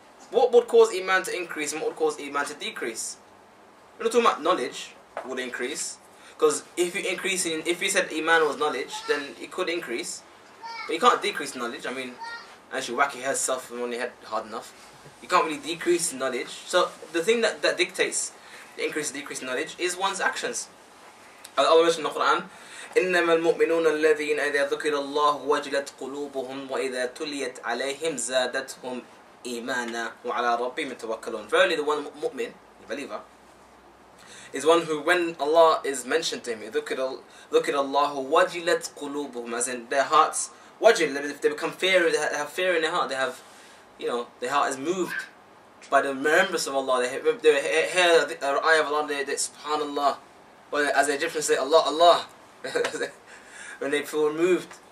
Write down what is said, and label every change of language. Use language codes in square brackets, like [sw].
[en] What would cause Iman to increase and what would cause Iman to decrease? We're not talking about knowledge would increase. Because if you increase in, if you said Iman was knowledge, then it could increase. But you can't decrease knowledge. I mean, unless you whack your head self and on your head hard enough. You can't really decrease knowledge. So the thing that dictates the increase or decrease knowledge is one's actions. As Allah mentioned in the Quran, [ar] إِنَّمَا الْمُؤْمِنُونَ الَّذِينَ إِذَا ذُكِرَ اللَّهُ وَجِلَتْ قُلُوبُهُمْ وَإِذَا تُلِيَتْ عَلَيْهِمْ زَادَتْهُمْ إِيمَانًا وَعَلَى رَبِّهِمْ يَتَوَكَّلُونَ. [en] Verily, the one mu'min, the believer, is one who, when Allah is mentioned to him, [ar] ذُكِرَ اللَّهُ وَجِلَتْ قُلُوبُهُمْ, [en] as in their hearts, وَجِل, if they become fear, they have fear in their heart, they have, you know, their heart is moved by the remembrance of Allah, they hear the eye of Allah, they subhanAllah, or as the Egyptians say, Allah, Allah, when they feel removed.